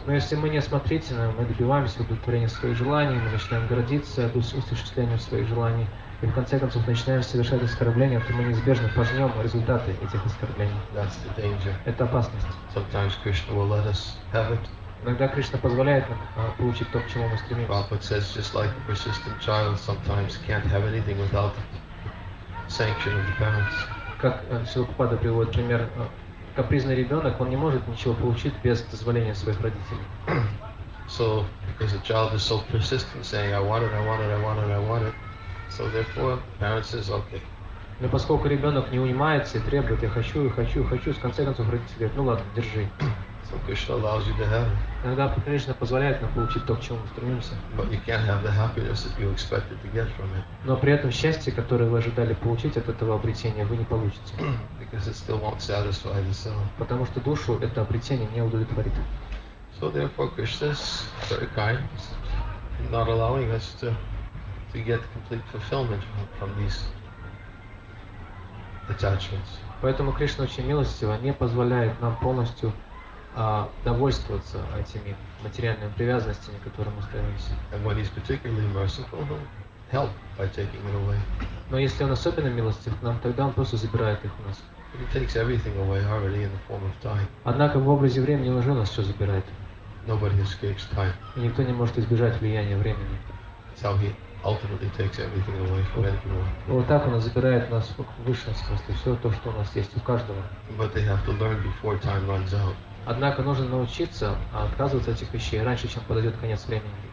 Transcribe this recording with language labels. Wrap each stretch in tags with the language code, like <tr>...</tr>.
<ru>Но если мы неосмотрительны, мы добиваемся удовлетворения своих желаний, мы начинаем гордиться осуществлением своих желаний, и в конце концов начинаем совершать оскорбления, то мы неизбежно пожнем результаты этих оскорблений.</ru> <en>That's the danger.</en> <ru>Это опасность.</ru> <en>Sometimes Krishna will let us have it.</en> <ru>Иногда Кришна позволяет нам получить то, к чему мы стремимся.</ru> <en>Prabhupada says, just like a persistent child sometimes can't have anything without the sanction of the parents.</en> <ru>Как Шилупада приводит пример, капризный ребенок, он не может ничего получить без дозволения своих родителей.</ru> <en>So, because a child is so persistent, saying, I want it, I want it, I want it, I want it. So therefore, parents says, okay.</en> <ru>Но поскольку ребенок не унимается и требует, я хочу, я хочу, хочу, с конца концов родители говорят, ну ладно, держи.</ru> <en>So Krishna allows you to have.</en> <ru>Иногда Кришна позволяет нам получить то, к чему мы стремимся.</ru> <en>But you can't have the happiness that you expected to get from it.</en> <ru>Но при этом счастье, которое вы ожидали получить от этого обретения, вы не получите.</ru> <en>Because it still won't satisfy the soul.</en> <ru>Потому что душу это обретение не удовлетворит.</ru> <en>So therefore, Krishna is very kind, not allowing us to get complete fulfillment from these attachments.</en> <ru>Поэтому Кришна очень милостиво не позволяет нам полностью довольствоваться этими материальными привязанностями, к которым мы стремимся.</ru> <en>And when he's particularly merciful, he'll help by taking it away.</en> <ru>Но если он особенно милостив к нам, тогда он просто забирает их у нас.</ru> <en>He takes everything away already in the form of time.</en> <ru>Однако в образе времени уже нас все забирает.</ru> <en>Nobody escapes time.</en> <ru>И никто не может избежать влияния времени.</ru> <en>So he ultimately takes everything away from everyone.</en> <ru>Вот так он забирает нас в высшем смысле, все то, что у нас есть у каждого.</ru> <en>But they have to learn before time runs out.</en> <ru>Однако нужно научиться отказываться от этих вещей раньше, чем подойдет конец времени.</ru>